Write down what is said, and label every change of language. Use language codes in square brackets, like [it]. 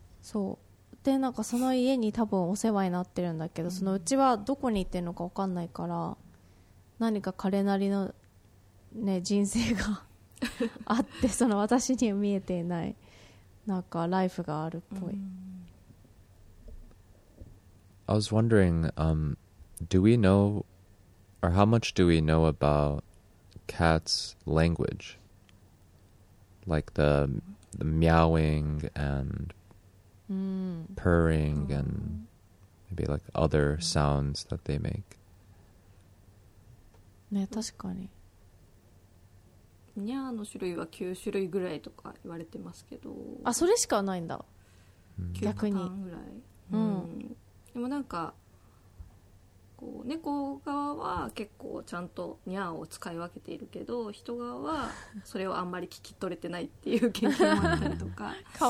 [ja] そうで、なんかその家に多分お世話になってるんだけど、そのうちはどこに行ってるのか分かんないから、何か彼なりの、ね、人生があって、その私には見えていないなんかライフがあるっぽい。 [en] I was wondering, do we know, or how much do we know about cats' language? Like the meowing and purring and maybe like other sounds that they make. [ja] ね、確かに。ニャーの種類は9種類ぐらいとか言われてますけど。あ、それしかないんだ。逆に。9パターンぐらい。うん。でもなんかこう猫側は結構ちゃんとニャーを使い分けているけど、人側はそれをあんまり聞き取れてないっていう研究もあったりとかか